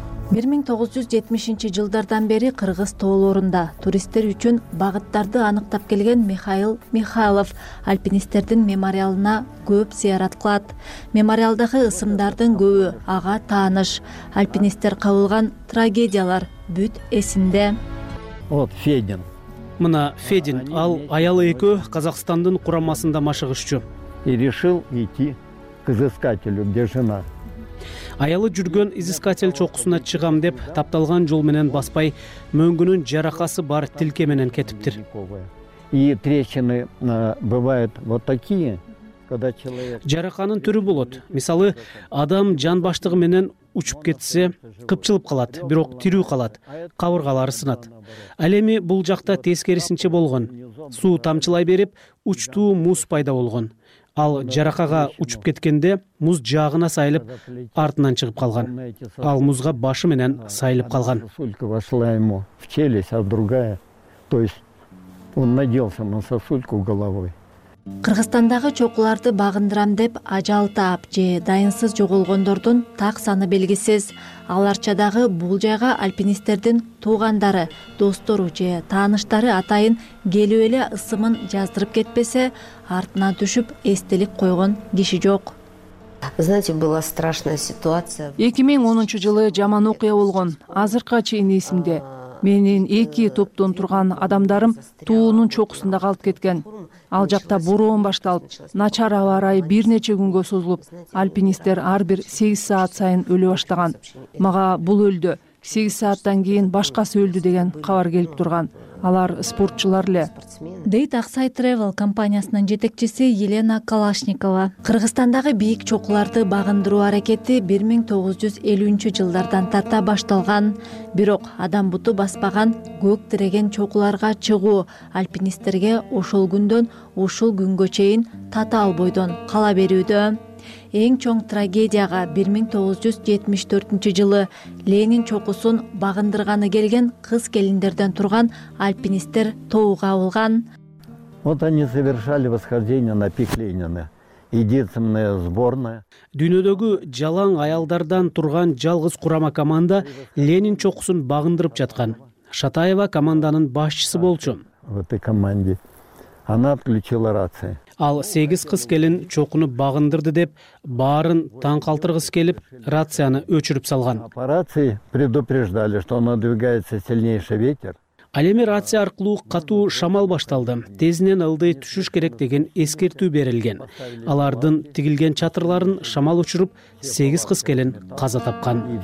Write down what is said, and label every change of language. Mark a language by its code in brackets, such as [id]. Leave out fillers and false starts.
[ky] 1970 жылдардан бери кыргыз тоолорунда туристтер үчүн багыттарды аныктап келген Михаил Михайлов альпинисттердин мемориалына көп зыярат кылат. Мемориалдагы ысымдардын көбү ага тааныш. Альпинисттер кабылган трагедиялар бүт эсинде. [ru] Вот Федин. [ky] Мына Федин, ал аялы экөө Казакстандын курамасында машыгышчу. [ru] И решил идти к изыскателю, где жена. [ky] Аялы жүргөн изыскатель чокусуна чыгам деп тапталган жол менен баспай, мөңгүнүн жаракасы бар тилке менен кетиптир. [ru] И трещины бывают вот такие, когда человек. [ky] Жараканын түрү болот. Мисалы, адам жан баштыгы менен учуп кетсе, кыпчылып калат, бирок тирүү калат, кабыргалары сынат. Ал эми бул жакта тескерисинче болгон. Суу тамчылай берип, учтуу муз пайда болгон. Ал жаракага учуп кеткенде муз жаагына сайылып артынан чыгып калган. Ал музга башы менен сайылып калган. [ru] Сосулька вошла ему в челюсть, а другая, то есть он наделся на сосульку головой. [ky] Кыргызстандагы чокуларды багындырам деп ажал таап же дайынсыз жоголгондордун так саны белгисиз. Аларчадагы бул жайга альпинисттердин туугандары, достору же тааныштары атайын келип эле ысымын жаздырып кетпесе, артына түшүп эстелик койгон киши жок. [ru] Знаете, была страшная ситуация. [ky] 2010 жылы жаман окуя болгон. Азыркыга чейин эсимде. Менин эки топтон турган адамдарым тоонун чокусунда калып кеткен. Ал жакта бороон башталып, начар аба ырайы бир нече күнгө созулуп, альпинисттер ар бир 8 саат сайын өлө баштаган. Мага бул өлдү, 8 сааттан кийин башкасы өлдү деген кабар келип турган. Алар спортчулар эле. Дейт Аксай Travel компаниясынын жетекчиси Елена Калашникова. Кыргызстандагы бийик чокуларды багындыруу аракети 1950 жылдардан тарта башталган. Бирок адам буту баспаган көк тиреген чокуларга чыгуу альпинисттерге ошол күндөн ушул күнгө чейин татаал бойдон кала берүүдө. Эң чоң трагедияга 1974 жылы Ленин чокусун багындырганы келген кыз келиндерден турган альпинисттер тоого кабылган. [ru] Вот они совершали восхождение на пик Ленина. Единственная сборная. [ky] Дүйнөдөгү жалаң аялдардан турган жалгыз курама команда Ленин чокусун багындырып жаткан. Шатаева команданын башчысы болчу. [ru] В этой команде она отключила рацию. [ky] Ал 8 кыз келин чокуну багындырды деп баарын таң калтыргысы келип рацияны өчүрүп салган. [ru] Операции предупреждали, что надвигается сильнейший ветер. [ky] Ал эми рация аркылуу катуу шамал башталды. Тезинен ылдый түшүш керек деген эскертүү берилген. Алардын тигилген чатырларын шамал учуруп 8 кыз келин каза тапкан.